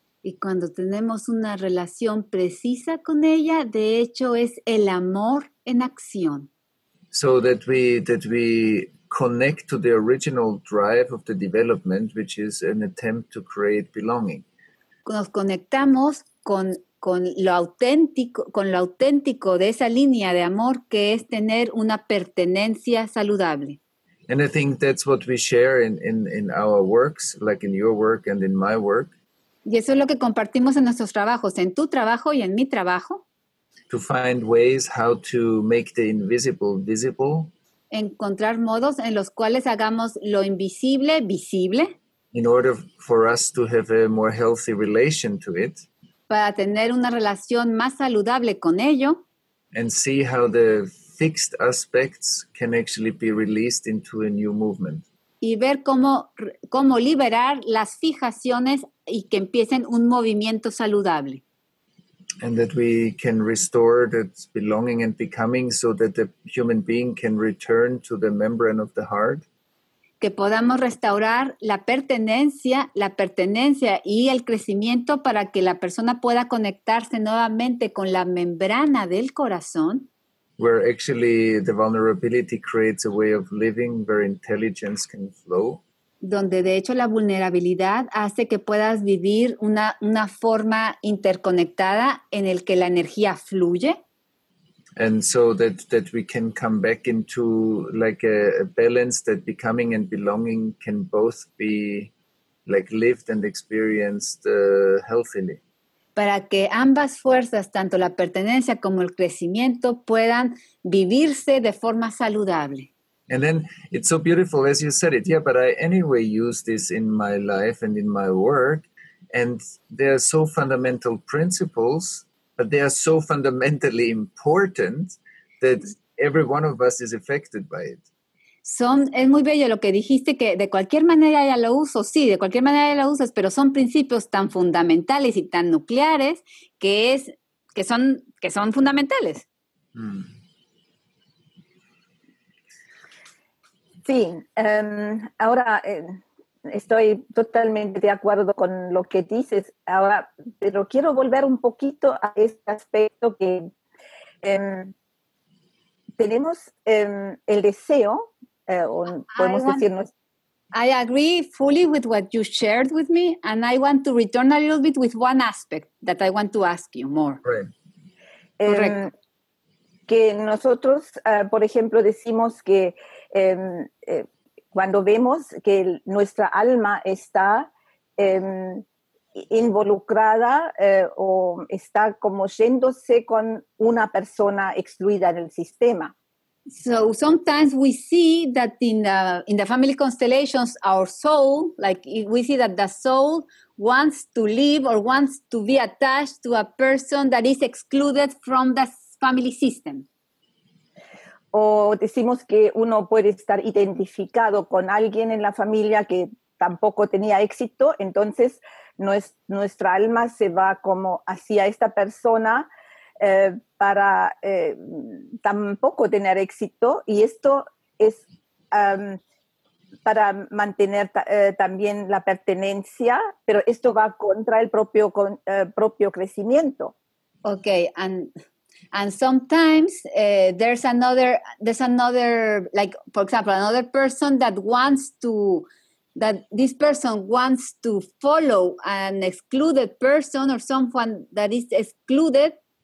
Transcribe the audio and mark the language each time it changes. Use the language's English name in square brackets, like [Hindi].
[Spanish] Y cuando tenemos una relación precisa con ella, de hecho es el amor en acción. [English] So that we connect to the original drive of the development, which is an attempt to create belonging. [Spanish] Nos conectamos con lo auténtico de esa línea de amor, que es tener una pertenencia saludable. [English] And I think that's what we share in our works, like in your work and in my work. [Spanish] Y eso es lo que compartimos en nuestros trabajos, en tu trabajo y en mi trabajo. [English] To find ways how to make the invisible visible. [Spanish] Encontrar modos en los cuales hagamos lo invisible visible. [English] In order for us to have a more healthy relation to it. [Spanish] Para tener una relación más saludable con ello. [English] And see how the fixed aspects can actually be released into a new movement. [Spanish] Y ver cómo liberar las fijaciones y que empiecen un movimiento saludable. [English] And that we can restore that belonging and becoming so that the human being can return to the membrane of the heart. [Spanish] Que podamos restaurar la pertenencia y el crecimiento para que la persona pueda conectarse nuevamente con la membrana del corazón. [English] Where actually the vulnerability creates a way of living where intelligence can flow. [Spanish] Donde de hecho la vulnerabilidad hace que puedas vivir una forma interconectada en el que la energía fluye. [English] And so that we can come back into like a balance that becoming and belonging can both be like lived and experienced healthily. [Spanish] Para que ambas fuerzas, tanto la pertenencia como el crecimiento, puedan vivirse de forma saludable. [English] And then it's so beautiful as you said it. Yeah, but I anyway use this in my life and in my work. And they are so fundamental principles, but they are so fundamentally important that every one of us is affected by it. [Spanish] Es muy bello lo que dijiste, que de cualquier manera ya lo uso, sí, de cualquier manera ya lo usas, pero son principios tan fundamentales y tan nucleares que son fundamentales. Sí, ahora estoy totalmente de acuerdo con lo que dices. Ahora, pero quiero volver un poquito a este aspecto que tenemos el deseo, podemos decirnos. [English] I agree fully with what you shared with me, and I want to return a little bit with one aspect that I want to ask you more. Right. [Spanish] Que nosotros, por ejemplo, decimos que cuando vemos que nuestra alma está involucrada o está como yéndose con una persona excluida del sistema. [English] So sometimes we see that in the family constellations, our soul, like we see that the soul wants to live or wants to be attached to a person that is excluded from the family system. [Spanish] O decimos que uno puede estar identificado con alguien en la familia que tampoco tenía éxito, entonces nuestra alma se va como hacia esta persona para tampoco tener éxito, y esto es para mantener también la pertenencia, pero esto va contra el propio propio crecimiento. [English] Okay, and sometimes there's another like, for example, another person that wants to follow an excluded person or someone that is excluded.